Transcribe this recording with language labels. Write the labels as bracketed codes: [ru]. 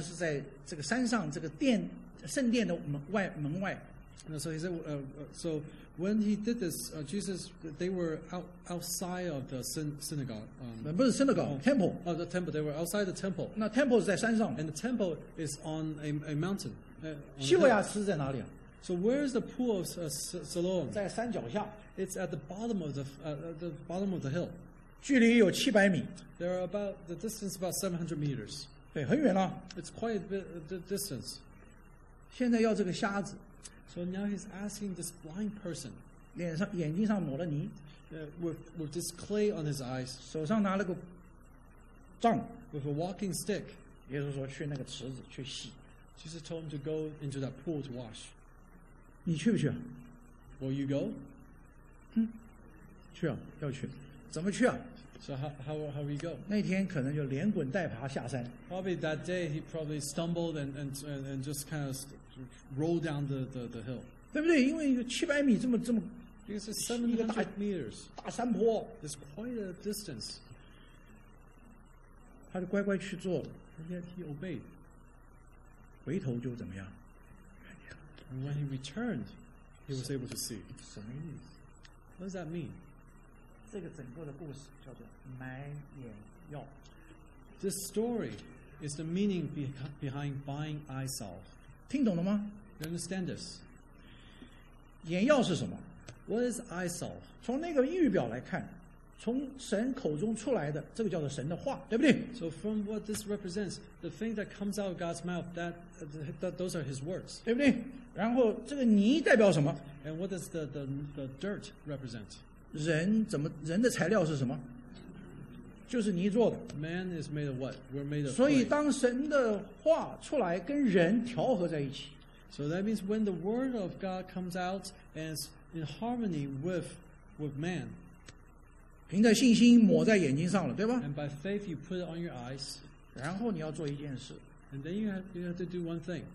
[zh] 耶稣在做这件事情是在这个山上这个殿。圣殿的门外, [en] no, so he said, so when he did this, Jesus, they were outside of the synagogue. Temple. Oh, the temple. They were outside the temple. No, temple is [zh] 在山上. [en] And the temple is on a mountain. [zh] 希罗亚池在哪里? [en] So where is the pool of Siloam? [zh] 在山脚下. [en] It's at the bottom of the bottom of the hill. [zh] 距离有700米. [en] There are about the distance about 700 meters. [zh] 对，很远了. [en] It's quite a bit the distance. [zh] 现在要这个瞎子, [en] so now he's asking this blind person, [zh] 眼睛上抹了泥, [en] with this clay on his eyes, [zh] 手上拿了个杖, [en] with a walking stick, [zh] 耶稣说去那个池子去洗, [en] Jesus told him to go into that pool to wash. [zh] 你去不去? [en] Will you go? [zh] 去啊，要去，怎么去啊？ [en] So how will you go? [zh] 那天可能就连滚带爬下山. [en] Probably that day he probably stumbled and just kind of roll down the hill. [zh] 对不对？因为一个七百米这么这么 [en] because it's 700 meters [zh] 大山坡. [en] It's quite a distance. [zh] 他就乖乖去做. [en] And yet he obeyed. [zh] 回头就怎么样? [en] And when he returned, he was able to see. [zh] 什么意思? [en] What does that mean? [zh] 这个整个的故事叫做买眼药. [en] This story is the meaning behind buying eye salve. [zh] 听懂了吗? [en] You understand this? [zh] 眼药是什么? [en] What is eye salve? [zh] 从那个预表来看, 从神口中出来的, 这个叫做神的话, 对不对? [en] So from what this represents, the thing that comes out of God's mouth, that those are his words. [zh] 对不对?然后这个泥代表什么? [en] And what does the dirt represent? [zh] 人怎么人的材料是什么? 就是泥做的. [en] Man is made of what? We're made of. [zh] 所以当神的话出来跟人调和在一起. [en] So that means when the word of God comes out and is in harmony with man. [zh] 凭着信心抹在眼睛上了, 对吧? [en] And by faith you put it on your eyes. [zh] 然后你要做一件事. [en] And then you have to do one thing.